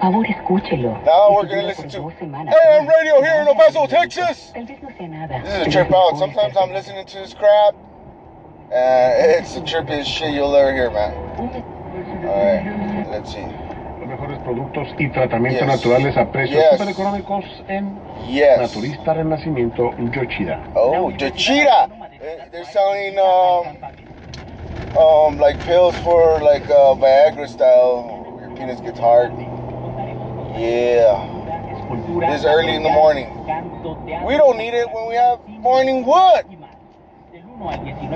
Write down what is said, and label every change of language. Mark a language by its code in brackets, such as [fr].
[en] Now we're going to listen to AM radio here in El Paso, Texas. This is a trip out. Sometimes I'm listening to this crap, and it's the trippiest shit you'll ever hear, man. All right, let's see. [es] Productos y tratamientos naturales a precios super económicos en Naturista Renacimiento Yochira. [en] Oh, Yochira. They're selling like pills for like Viagra style. Penis gets hard. Yeah. This early in the morning. We don't need it when we have morning wood.